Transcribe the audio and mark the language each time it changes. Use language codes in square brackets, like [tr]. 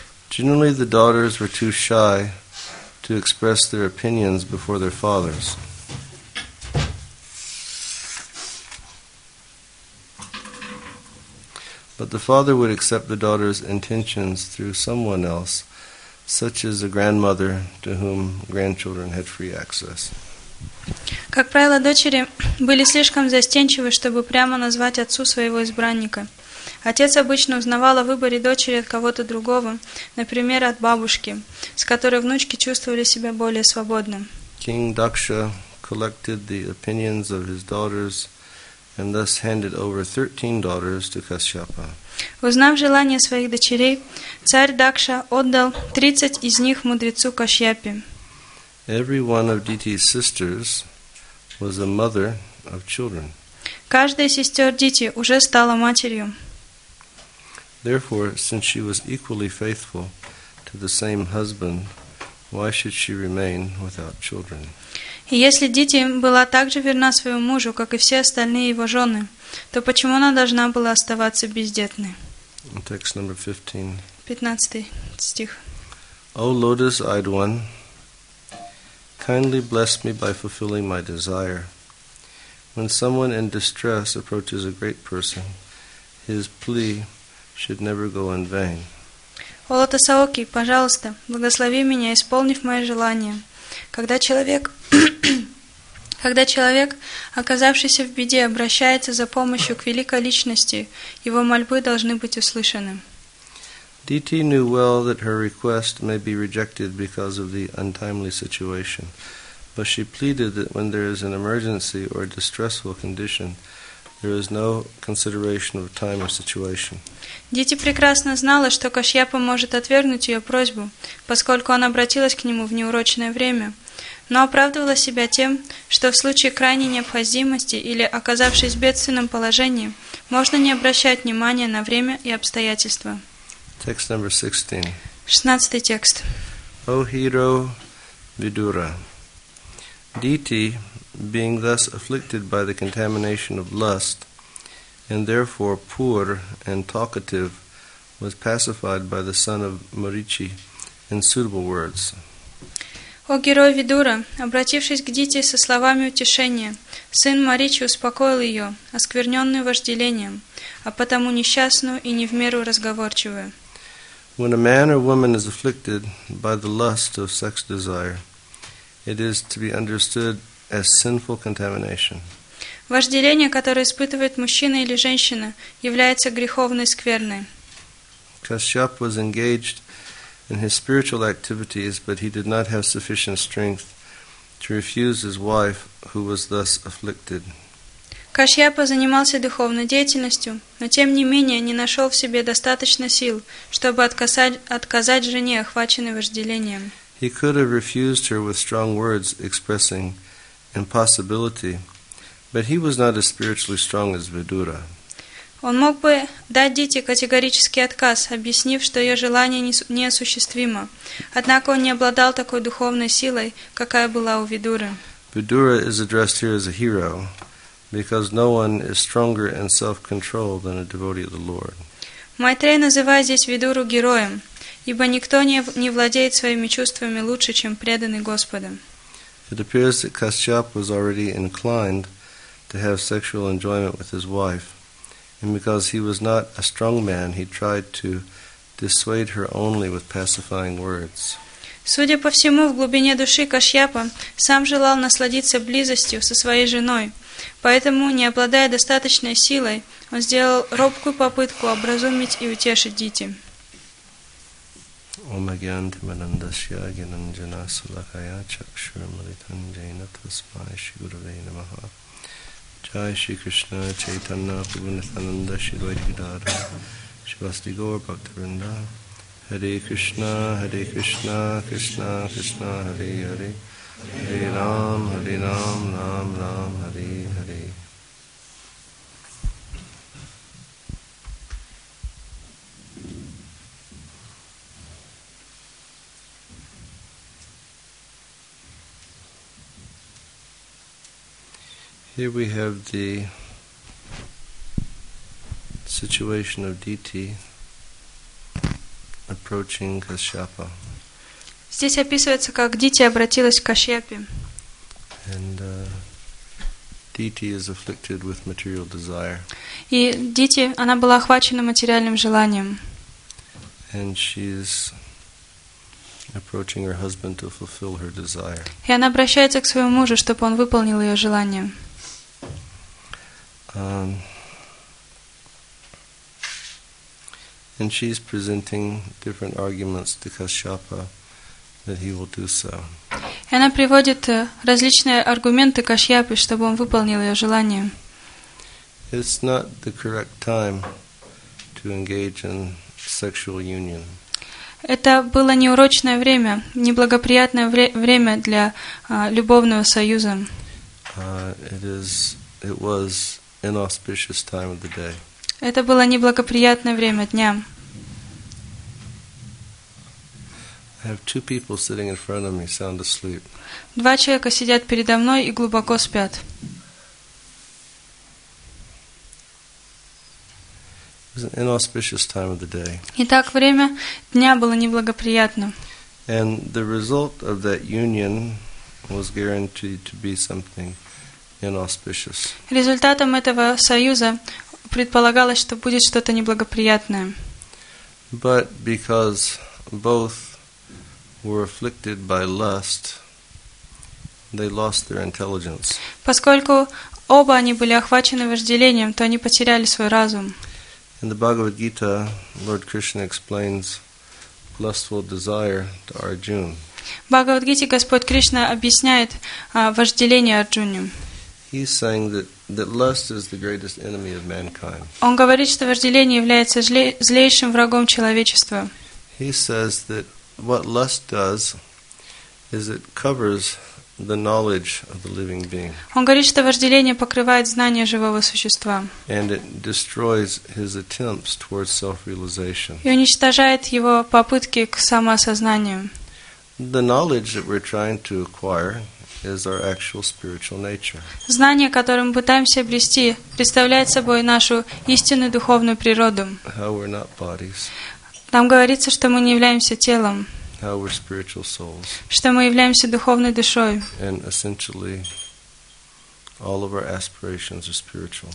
[en] Generally, the daughters were too shy to express their opinions before their fathers. But the father would accept the daughter's intentions through someone else, such as a grandmother to whom grandchildren had free access. [ru] Как правило, дочери были слишком застенчивы, чтобы прямо назвать отцу своего избранника. Отец обычно узнавал о выборе дочери от кого-то другого, например, от бабушки, с которой внучки чувствовали себя более свободно. [en] King Daksha collected the opinions of his daughters and thus handed over 13 daughters to Kashyapa. [ru] Узнав желание своих дочерей, царь Дакша отдал 30 из них мудрецу Кашьяпе. [en] Every one of Дити's sisters was a mother of children. [ru] Каждая из сестер Дити уже стала матерью. [en] Therefore, since she was equally faithful to the same husband, why should she remain without children? [ru] И если Дити была так же верна своему мужу, как и все остальные его жены, то почему она должна была оставаться бездетной? [en] Text number 15. [ru] 15 стих. [en] O lotus-eyed one, kindly bless me by fulfilling my desire. When someone in distress approaches a great person, his plea should never go in vain. [ru] О лотосооки, пожалуйста, благослови меня, исполнив мое желание. Когда человек, оказавшийся в беде, обращается за помощью к великой личности, его мольбы должны быть услышаны. [en] Дити knew well that her request may be rejected because of the untimely situation, but she pleaded that when there is an emergency or a distressful condition, there is no consideration of time or situation. [ru] Дити прекрасно знала, что Кашьяпа может отвергнуть ее просьбу, поскольку она обратилась к нему в неурочное время, но оправдывала себя тем, что в случае крайней необходимости или оказавшись в бедственном положении, можно не обращать внимания на время и обстоятельства. [en] Text number 16. [ru] 16 текст. [en] O hero Vidura, Дити, being thus afflicted by the contamination of lust, and therefore poor and talkative, was pacified by the son of Marichi in suitable words. [ru] О герой Видура, обратившись к Дити со словами утешения, сын Маричи успокоил ее, оскверненную вожделением, а потому несчастную и не в меру разговорчивую. [en] When a man or woman is afflicted by the lust of sex desire, it is to be understood as sinful contamination. [ru] Вожделение, которое испытывает мужчина или женщина, является греховной скверной. [en] Kashyap was engaged in his spiritual activities, but he did not have sufficient strength to refuse his wife, who was thus afflicted. [ru] Кашьяпа занимался духовной деятельностью, но тем не менее не нашел в себе достаточно сил, чтобы отказать жене, охваченной вожделением. [en] He could have refused her with strong words expressing impossibility, but he was not as spiritually strong as Vidura. [ru] Он мог бы дать Дите категорический отказ, объяснив, что ее желание неосуществимо. Однако он не обладал такой духовной силой, какая была у Видуры. [en] Vidura is addressed here as a hero, because no one is stronger in self-control than a devotee of the Lord. [ru] Майтрея называет здесь Видуру героем, ибо никто не владеет своими чувствами лучше, чем преданный Господу. [en] It appears that Kashyap was already inclined to have sexual enjoyment with his wife, and because he was not a strong man, he tried to dissuade her only with pacifying words. [ru] Судя по всему, в глубине души Кашьяпа сам желал насладиться близостью со своей женой, поэтому, не обладая достаточной силой, он сделал робкую попытку образумить и утешить Дити. [sa] Ом агьянти манандасья агьянанджана сулакая чакшур малитан джайната смай шигурве намаха. Jai Shri Krishna, Chaitanya, Prabhunathananda, Shri Vaidhidhara, Shivasti Gaur Bhaktivinoda, Hare Krishna, Hare Krishna, Krishna, Krishna, Hare Hare, Hare Ram, Hare Ram, Ram, Ram, Hare Hare. [en] Here we have the situation of Diti approaching Kashyapa. [ru] Здесь описывается, как Дити обратилась к Кашьяпе. [en] And Diti is afflicted with material desire. [ru] И Дити, она была охвачена материальным желанием. [en] And she is approaching her husband to fulfill her desire. [ru] И она обращается к своему мужу, чтобы он выполнил ее желание. [en] And she's presenting different arguments to Kashyapa that he will do so. [ru] Она приводит различные аргументы Кашьяпе, чтобы он выполнил ее желание. [en] It's not the correct time to engage in sexual union. [ru] Это было неурочное время, неблагоприятное время для любовного союза. [en] It was inauspicious time of the day. [ru] Это было неблагоприятное время дня. [en] I have two people sitting in front of me, sound asleep. [ru] Два человека сидят передо мной и глубоко спят. [en] It was an inauspicious time of the day. [ru] Итак, время дня было неблагоприятным. [en] And the result of that union was guaranteed to be something inauspicious. [ru] Результатом этого союза предполагалось, что будет что-то неблагоприятное. [en] But because both were afflicted by lust, they lost their intelligence. [ru] Поскольку оба они были охвачены вожделением, то они потеряли свой разум. [en] In the Bhagavad Gita, Lord Krishna explains lustful desire to Arjuna. [ru] В Бхагавад Гите Господь Кришна объясняет вожделение Арджуне. [en] He's saying that lust is the greatest enemy of mankind. [ru] Он говорит, что вожделение является злейшим врагом человечества. [en] He says that what lust does is it covers the knowledge of the living being. [ru] Он говорит, что вожделение покрывает знания живого существа. [en] And it destroys his attempts towards self-realization. [ru] И уничтожает его попытки к самосознанию. [en] The knowledge that we're trying to acquire is our actual spiritual nature. [ru] Знание, которым пытаемся обрести, представляет собой нашу истинную духовную природу. [en] How we're not bodies. [ru] Там говорится, что мы не являемся телом. [en] How we're spiritual souls. [ru] Что мы являемся духовной душой. [en] And essentially, all of our aspirations are spiritual.